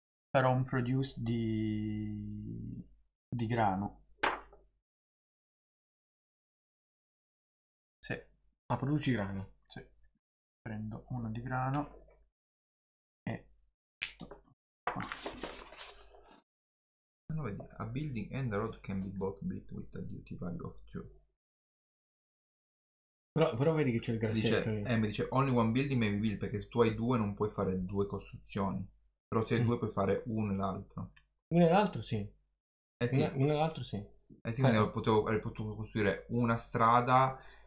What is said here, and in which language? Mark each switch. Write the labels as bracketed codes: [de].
[it] Farò un produce di grano. Produci grano. Sì. Prendo uno di grano e sto qua. No, vedi, [en] a building and a road can be both built with a duty value of 2. [it] Però vedi che c'è il grassetto. Mi dice [en] only one building may be built, [it] perché se tu hai due non puoi fare due costruzioni. Però se hai due puoi fare uno e l'altro. Uno e l'altro sì. Sì. Uno e l'altro sì. Sì, quindi avrei potuto costruire una strada...